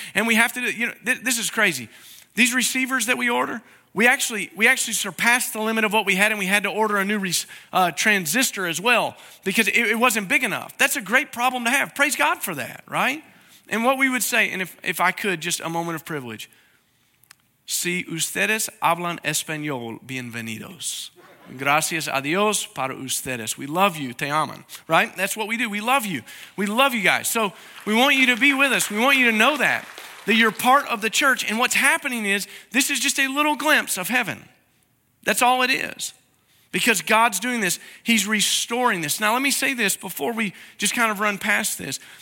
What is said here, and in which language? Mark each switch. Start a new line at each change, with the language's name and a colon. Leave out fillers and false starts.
English: And we have to do, you know, this is crazy. These receivers that we order, we actually surpassed the limit of what we had, and we had to order a new transistor as well because it wasn't big enough. That's a great problem to have. Praise God for that, right? And what we would say, and if I could, just a moment of privilege.
Spanish: Si ustedes hablan español, bienvenidos. Gracias a Dios para ustedes.
English: We love you.
Spanish: Te aman.
English: Right? That's what we do. We love you. We love you guys. So we want you to be with us. We want you to know that you're part of the church. And what's happening is this is just a little glimpse of heaven. That's all it is. Because God's doing this. He's restoring this. Now, let me say this before we just kind of run past this.